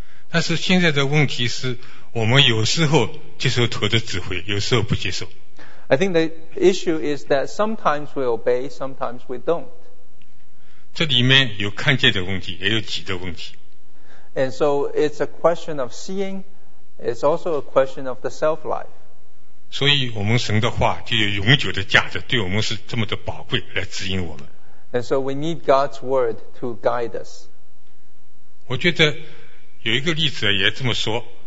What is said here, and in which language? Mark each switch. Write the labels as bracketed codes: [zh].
[zh] 但是现在的问题是我们有时候接受头的指挥，有时候不接受。 [en] I think the issue is that sometimes we obey, sometimes we don't. [zh] 这里面有看见的问题，也有己的问题。 [en] And so it's a question of seeing, it's also a question of the self-life. [zh] 所以我们神的话就有永久的价值，对我们是这么的宝贵，来指引我们。 [en] And so we need God's word to guide us. [zh] 我觉得有一个例子也这么说，